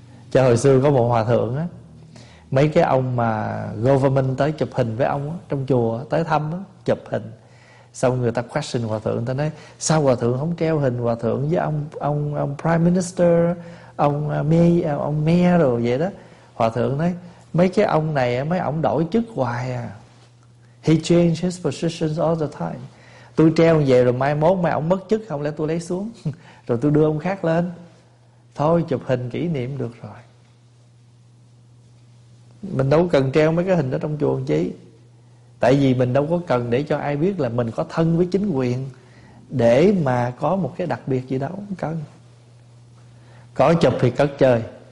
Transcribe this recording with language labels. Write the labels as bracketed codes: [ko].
[vi] Cho hồi xưa có một hòa thượng á, mấy cái ông mà government tới chụp hình với ông á, trong chùa tới thăm á, chụp hình. Xong người ta question hòa thượng, ta nói sao hòa thượng không treo hình hòa thượng với ông Prime Minister, ông Mayor rồi vậy đó. Hòa thượng nói mấy cái ông này mấy ông đổi chức hoài à. [en] He changes his positions all the time. [vi] Tôi treo về rồi mai mốt mà ông mất chức không lẽ tôi lấy xuống rồi tôi đưa ông khác lên. Thôi chụp hình kỷ niệm được rồi. Mình đâu cần treo mấy cái hình đó trong chùa chứ. Tại vì mình đâu có cần để cho ai biết là mình có thân với chính quyền để mà có một cái đặc biệt gì đâu, không cần. Có chụp thì cất chơi.